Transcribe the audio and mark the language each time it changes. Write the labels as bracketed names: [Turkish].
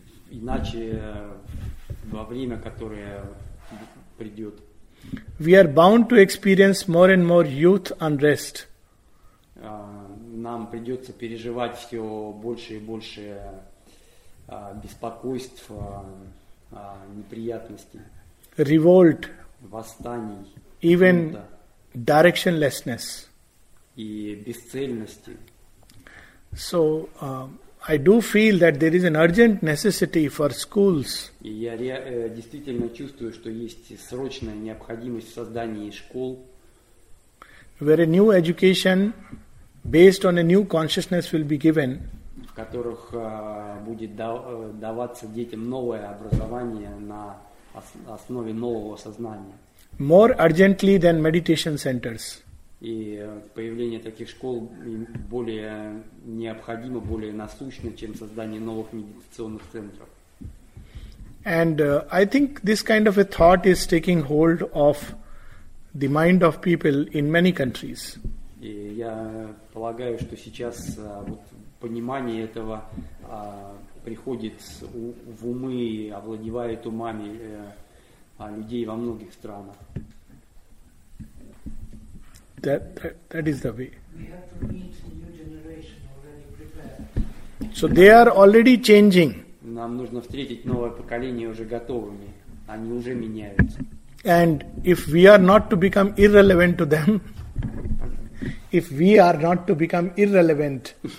[Russian] иначе во время, которое придет, [English] we are bound to experience more and more youth unrest. [Russian] Нам придется переживать все больше и больше беспокойств, неприятностей, [English] revolt, [Russian] восстаний, [English] even directionlessness. [Russian] И бесцельности. [English] So, I do feel that there is an urgent necessity for schools. [Russian] И я действительно чувствую, что есть срочная необходимость в создании школ. [English] Where a new education based on a new consciousness will be given. [Russian] В которых будет даваться детям новое образование на основе нового сознания. [English] More urgently than meditation centers. [Russian] И появление таких школ более необходимо, более насущно, чем создание новых медитационных центров. [English] And I think this kind of a thought is taking hold of the mind of people in many countries. [Russian] И я полагаю, что сейчас вот понимание этого приходит в умы, овладевает умами людей во многих странах. [English] That is the way. We have to meet the new generation already prepared. So they are already changing. [Russian] Нам нужно встретить новое поколение уже готовыми. Они уже меняются. [English] And if we are not to become irrelevant to them, if we are not to become irrelevant.